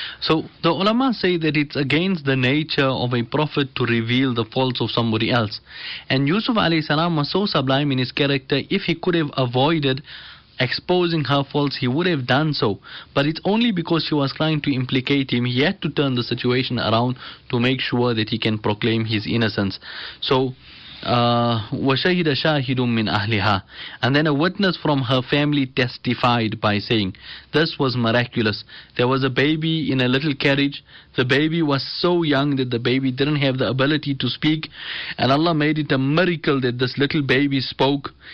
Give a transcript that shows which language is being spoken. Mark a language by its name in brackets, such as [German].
[English] So the ulama say that it's against the nature of a prophet to reveal the faults of somebody else. And Yusuf alayhi salam was so sublime in his character, if he could have avoided exposing her faults, he would have done so. But it's only because she was trying to implicate him, he had to turn the situation around to make sure that he can proclaim his innocence. [Arabic] So, وَشَهِدَ شَاهِدٌ مِّنْ أَهْلِهَا. [English] And then a witness from her family testified by saying, this was miraculous. There was a baby in a little carriage. The baby was so young that the baby didn't have the ability to speak. And Allah made it a miracle that this little baby spoke.